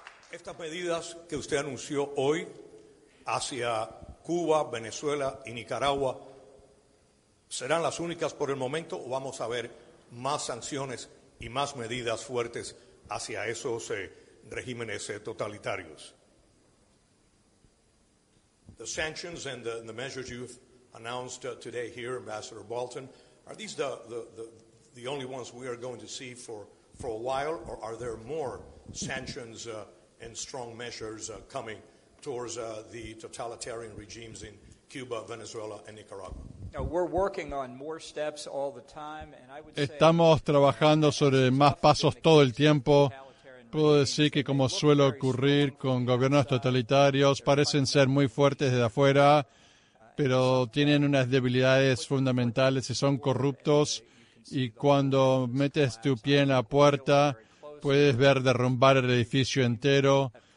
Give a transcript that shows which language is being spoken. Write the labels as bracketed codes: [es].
[es] Estas medidas que usted anunció hoy hacia Cuba, Venezuela y Nicaragua, ¿serán las únicas por el momento o vamos a ver más sanciones y más medidas fuertes hacia esos regímenes totalitarios? [en] The sanctions and the measures you've announced today here, Ambassador Bolton, are these the only ones we are going to see for a while, or are there more sanctions and strong measures coming towards the totalitarian regimes in Cuba, Venezuela, and Nicaragua? We're working on more steps all the time, and I would say [es] estamos trabajando sobre más pasos todo el tiempo. Puedo decir que, como suele ocurrir con gobiernos totalitarios, parecen ser muy fuertes desde afuera, pero tienen unas debilidades fundamentales y son corruptos. Y cuando metes tu pie en la puerta, puedes ver derrumbar el edificio entero.